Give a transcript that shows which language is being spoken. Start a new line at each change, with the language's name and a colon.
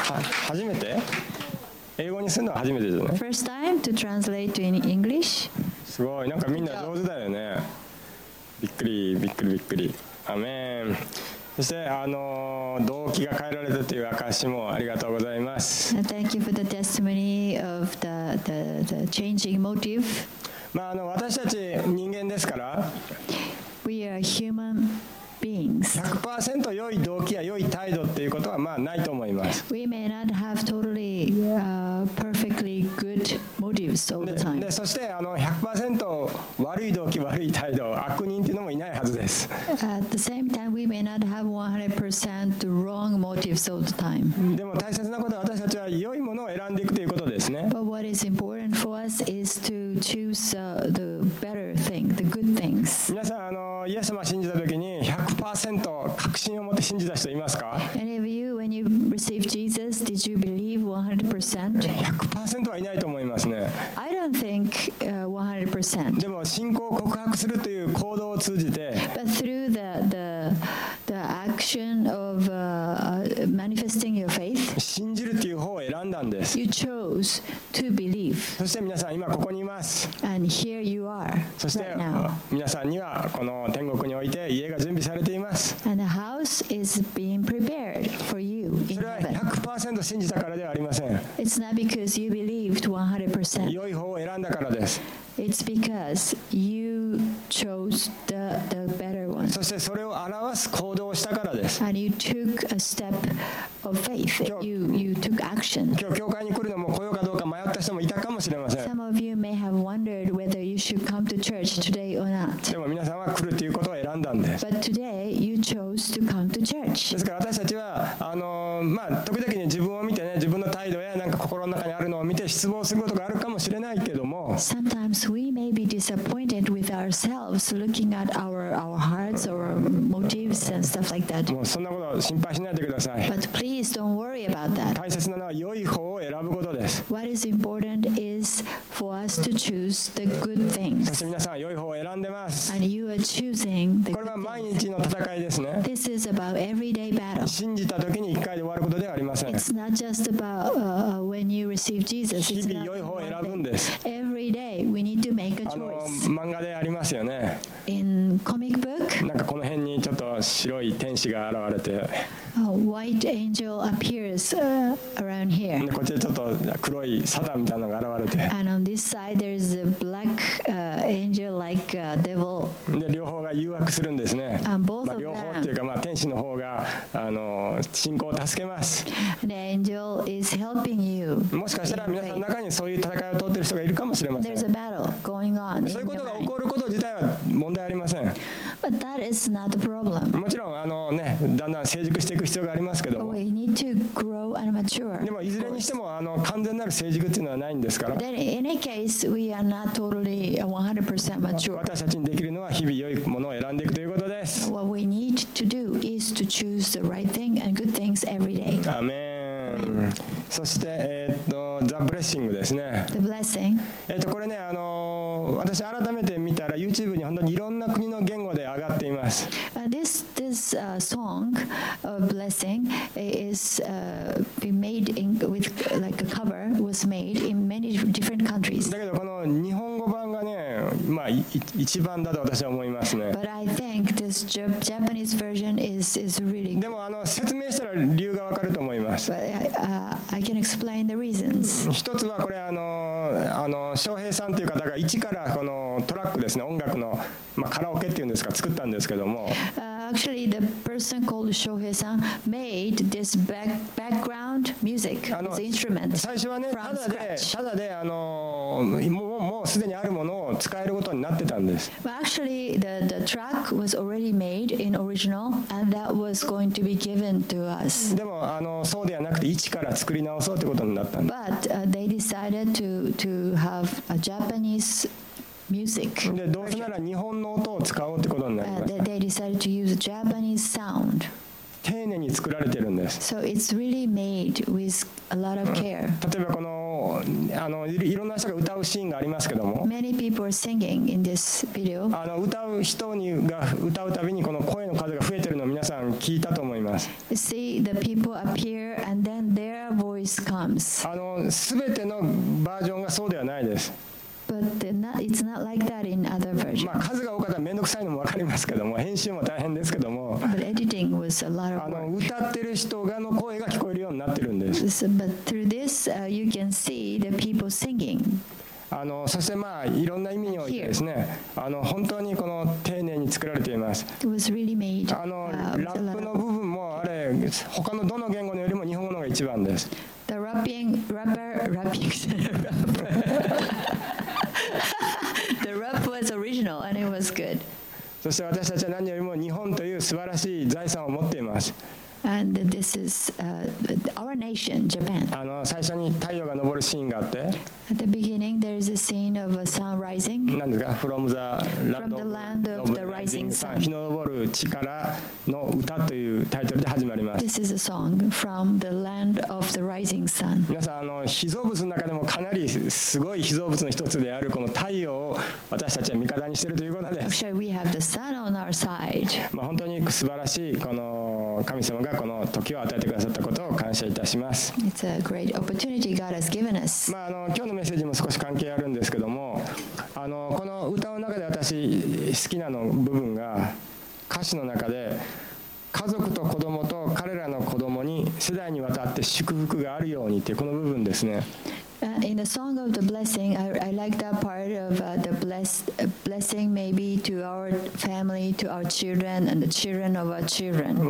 Japanese: 初めて英語にするのは初めてですね。
English: First time to translate in English.
Japanese: すごい、なんかみんな上手だよね。びっくりびっくりびっくり。アメン。そして動機が変えられたという証もありがとうございます。
English: Thank you for the testimony of the changing motive.
Japanese: まあ、私たち人間ですから、
English: We are human beings.
Japanese: 100% 良い動機や良い態度っていうことはまあないと思います。
English: We may not have totally, perfectly good motives all the time.
Japanese: そして 100% 悪い動機、悪い態度、悪人っていうのもいないはずです。
English: At the same time, we may not have 100% wrong motives all the time.
Japanese: でも大切なことは私たちは良いものを選んでいくということですね。
English: But what is important for us is to choose the better thing, the good things.
Japanese: 皆さん、イエス様信じたときに 100% 確信を持って信じた人いますか？
English: Any of you, when you received Jesus, did you believe 100%?
Japanese: 100% はいないと思いますね。
English: I don't think 100%.
Japanese: でも信仰を告白するという行動を通じて、
English: But through the action of manifesting your faith,
Japanese: 信じるという方を選んだんです。
English: You chose to believe.
Japanese: そして皆さん今ここにいます。
English: And here you are right now.
Japanese: そして皆さんにはこの天国において家が準備されています。
English: And the house is being prepared for you in heaven.
Japanese: それは 100% 信じたからではありません。
English: It's not because you believed 100%.
Japanese: 良い方を選んだからです。
English: It's because you chose the better one.
Japanese: そしてそれを表す行動をしたからです。
English: And you took a step of faith. You took action.
Japanese: 今日教会に来るのも来ようかどうか迷った人もいたかもしれません。
English: Some of you may have wondered whether you should come to church today or not.
Japanese: でも皆さんは来るということを選んだんです。
English: But today you chose to come to church.
Japanese: ですから私たちは時々に自分を見てね、自分の態度やなんか心の中にあるのを見て失望することがあるかもしれないけども、
English: Sometimes we may be disappointed with ourselves looking at our hearts or motives and stuff like that.
Japanese: もうそんなこと心配しないでください。
English: But please don't worry about that.
Japanese: 大切なのは良い方を選ぶことです。
English: What is important is for us to choose the good things.
Japanese: そして皆さん良い方を選んでます。
English: And you are choosing the good things.
Japanese: これは毎日の戦いですね。
English: This is about everyday battle.
Japanese: 信じた時に一回で終わることではありません。
English: It's not just about when you receive Jesus.
Japanese: 日々良い方を選ぶんです。
English: Every day we need to make a choice.
Japanese: 漫画でありますよね。
English: In comic book.
Japanese: なんかこの辺にちょっと白い天使が現れて、
English: A white angel appears around here.
Japanese: こっちでちょっと黒いサタンみたいなのが現れて、
English: And on this side there is a black angel like a devil.
Japanese: で両方が誘惑するんですね。
English: And both of them.
Japanese: 両方っていうか天使の方が信仰を助けます。
English: An angel is helping you.
Japanese: もしかしたら皆さんの中にそういう戦いを通ってる人がいるかもしれません。
English: There's a battle going on.
Japanese: そういうことが起こること自体は問題ありません。
English: But that is not the problem.
Japanese: もちろんね、だんだん成熟していく必要がありますけども
English: 。 We need to grow and mature.
Japanese: でもいずれにしても完全なる成熟っていうのはないんですから。
English: Then in any case, we are not totally 100% mature.
Japanese: 私たちにできるのは日々良いものを選んでいくということです。
English: What we need to do is to choose the right thing and good things every day.
Japanese: アメン。そしてザ・ブレッシングですね。
English: The blessing.
Japanese: これね、私改めて見たら YouTube に本当にいろんな国の言語で上がっています。
English: This his song of blessing is be made in with like a cover was made in many different countries. But I think this Japanese version is really good. But I can explain the reasons.
Japanese: 一つはこれ翔平さんという方が一からこのトラックですね、音楽の、まあ、カラオケっていうんですか、作ったんですけども。
English: Actually, the person called Shohei san made this background music, this instrument.
Japanese: 最初はね、ただでもうすでにあるものを使えることになってたんです。
English: But actually, the track was already made in original, and that was going to be given to us.
Japanese: でもそうではなくて一から作り直そうってことになったんです。
English: But they decided to have a Japanese. Music.
Japanese: でどうせなら日本の音を使おうってことになりました。
English: They decided to use Japanese sound.
Japanese: 丁寧に作られてるんです。
English: So it's really made with a lot of care.
Japanese: 例えばこの、いろんな人が歌うシーンがありますけども。
English: Many people are singing in this video.
Japanese: 歌う人が歌うたびにこの声の数が増えてるのを皆さん聞いたと思います。
English: See the people appear and then their voice comes.
Japanese: 全てのバージョンがそうではないです。
English: But it's not like that in other versions.
Japanese: まあ数が多かったらめんどくさいのもわかりますけども、編集も大変ですけども。
English: But editing was a lot of work.
Japanese: 歌ってる人がの声が聞こえるようになってるんです。
English: So, but through this, you can see the people singing.
Japanese: そしてまあいろんな意味においてですね、本当にこの丁寧に作られています。
English: It was really made.
Japanese: ラップの部分もあれ、他のどの言語よりも日本語の方が一番です。
English: The rapping, rapper, rapping. The rap was original and it was good.
Japanese: そして私たちは何よりも日本という素晴らしい財産を持っています。
English: And this is our nation, Japan.
Japanese: 最初に太陽が昇るシーンがあって。
English: At the beginning, there is a scene of a sun rising.
Japanese: 何ですか ？
English: From the land, from the land of the rising sun.
Japanese: 日の昇る力の歌というタイトルで始まります。
English: This is a song from the land of the rising sun.
Japanese: 皆さん被造物の中でもかなりすごい被造物の一つであるこの太陽を私たちは味方にしているということです。
English: Actually, we have the sun on our side.
Japanese: 本当に素晴らしいこの神様がこの時を与えてくださったことを感謝いたします。
English: It's a great opportunity God has given us.
Japanese: 今日のメッセージも少し関係あるんですけども、この歌の中で私好きなの部分が歌詞の中で家族と子供と彼らの子供に世代にわたって祝福があるようにってこの部分ですね。
English: In the song of the blessing, I like that part of the blessing maybe to our family, to our children, and the children of our children.